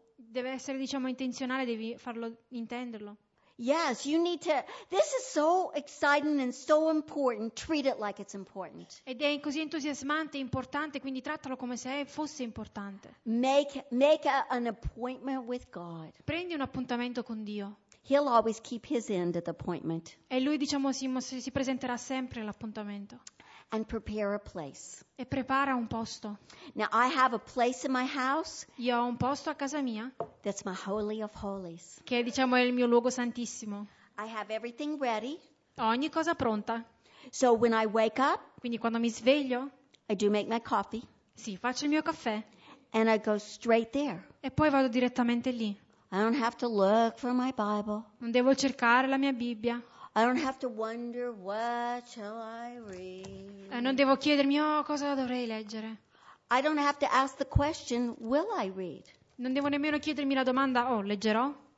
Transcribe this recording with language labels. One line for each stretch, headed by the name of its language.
Italian: Deve essere, diciamo, intenzionale, devi farlo, intenderlo.
English: Yes, you need to. This is so exciting and so important. Treat it like it's important.
Italian: Ed è così entusiasmante e importante, quindi trattalo come se fosse importante.
English: Make an appointment with God.
Italian: Prendi un appuntamento con Dio.
English: He'll always keep his end of the appointment.
Italian: E lui, diciamo, si presenterà sempre l'appuntamento.
English: And prepare a place.
Italian: E prepara un posto.
English: Now I have a place in my house.
Italian: Io ho un posto a casa mia.
English: That's my holy of holies.
Italian: Che è, diciamo, è il mio luogo santissimo.
English: I have everything ready.
Italian: Ho ogni cosa pronta.
English: So when I wake up.
Italian: Quindi quando mi sveglio.
English: I do make my coffee.
Italian: Sì, faccio il mio caffè.
English: And I go straight there.
Italian: E poi vado direttamente lì.
English: I don't have to look for my Bible.
Italian: Non devo cercare la mia Bibbia.
English: I don't have to wonder what shall I read.
Italian: Non devo chiedermi, oh, cosa dovrei leggere.
English: I don't have to ask the question, will I read?
Italian: Non devo nemmeno chiedermi la domanda, oh, leggerò?